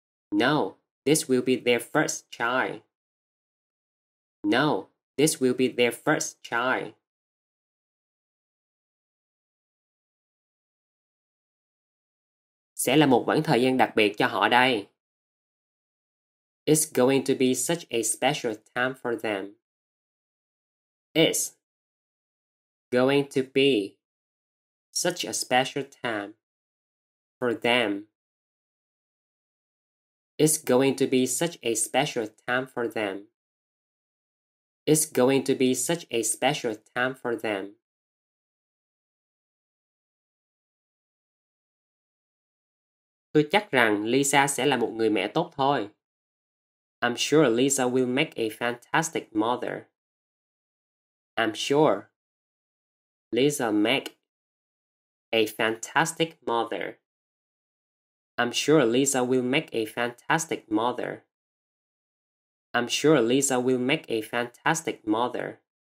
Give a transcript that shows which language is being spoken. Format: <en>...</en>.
<en>No, this will be their first child. No, this will be their first child.</en> <vi>Sẽ là một khoảng thời gian đặc biệt cho họ đây.</vi> <en>It's going to be such a special time for them. It's going to be such a special time for them. It's going to be such a special time for them. It's going to be such a special time for them.</en> <vi>Tôi chắc rằng Lisa sẽ là một người mẹ tốt thôi.</vi> <en>I'm sure Lisa will make a fantastic mother. I'm sure Lisa make a fantastic mother. I'm sure Lisa will make a fantastic mother. I'm sure Lisa will make a fantastic mother.</en>